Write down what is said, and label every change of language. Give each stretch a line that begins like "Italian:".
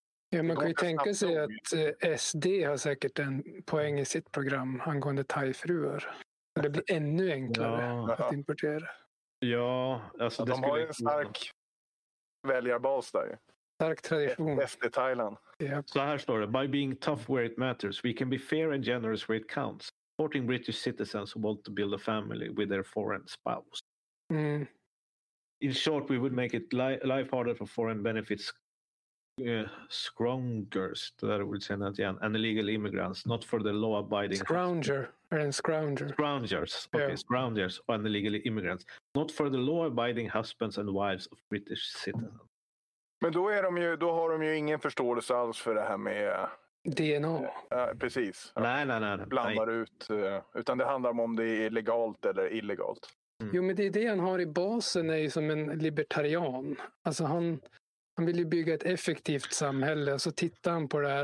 Swedish: Ja, man kan ju tänka sig att SD har säkert en poäng i sitt program angående thai-fruar. Det blir ännu enklare att importera. Ja, alltså de har ju en stark väljarbas där. Stark tradition. Efter Thailand. Yep. Så här står det.
English: By being tough where it matters, we can be fair and generous where it counts. Supporting British citizens who want to build a family with their foreign spouse. In short, we would make it life harder for foreign benefits scroungers, that would say that again, and illegal immigrants, not for the law-abiding scroungers and illegal immigrants, not for the law-abiding husbands and wives of British citizens.
Swedish: Men då är de ju, då har de ju ingen förståelse alls för det här med DNA. Precis. Nej. Blandar ut, utan det handlar om det är legalt eller illegalt. Jo, men det han har i basen är ju som en libertarian. Alltså han vill ju bygga ett effektivt samhälle, så tittar han på det här.